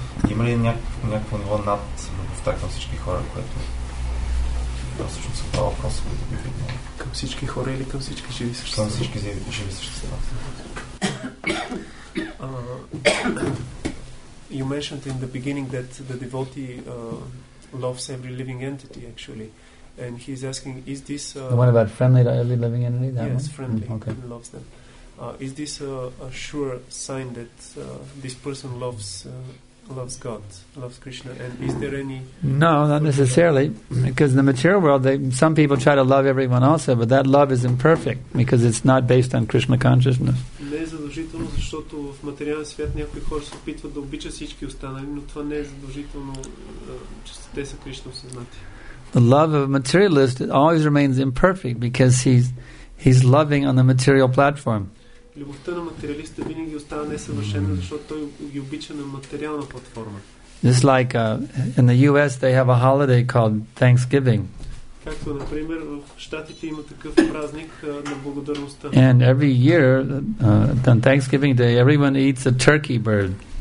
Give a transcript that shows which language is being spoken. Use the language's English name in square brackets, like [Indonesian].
[Bulgarian] Има ли някакво ниво над любовта към всички хора, което всъщност са това въпрос, който бих видял? Към всички хора или към всички живи същества? Към всички живи същества. [English] You mentioned in the beginning that the devotee loves every living entity, actually. And he's asking, is this... The one about friendly to every living entity? That yes, one? Friendly. Okay. He loves them. Is this a sure sign that this person loves God, loves Krishna? And is there any... No, not necessarily. Because in the material world, some people try to love everyone also, but that love is imperfect because it's not based on Krishna consciousness. [Bulgarian] Не е задължително, защото в материален свят някои хора се опитват да обичат всички останали, но това не е задължително, че те са Кришна осъзнати. [English] The love of a materialist always remains imperfect because he's loving on the material platform. [Bulgarian] Любовта на материалиста винаги остава несъвършена, защото той ги обича на материална платформа. [English] Just like in the US they have a holiday called Thanksgiving. [Bulgarian] Както например в Щатите има такъв празник на благодарността. [English] And every year on Thanksgiving day everyone eats a turkey bird.